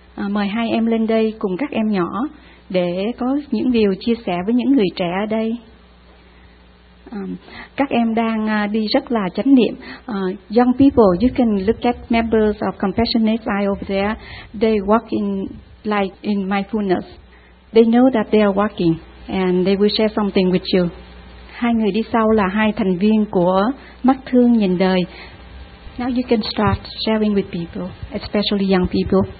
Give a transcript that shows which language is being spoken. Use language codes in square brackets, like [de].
[vi] Mời hai em lên đây cùng các em nhỏ để có những điều chia sẻ với những người trẻ ở đây. Các em đang đi rất là chánh niệm. [en] Young people, you can look at members of Compassionate Eye over there. They walk in like in mindfulness. They know that they are walking and they will share something with you. [vi] Hai người đi sau là hai thành viên của Mắt Thương Nhìn Đời. [en] Now you can start sharing with people, especially young people.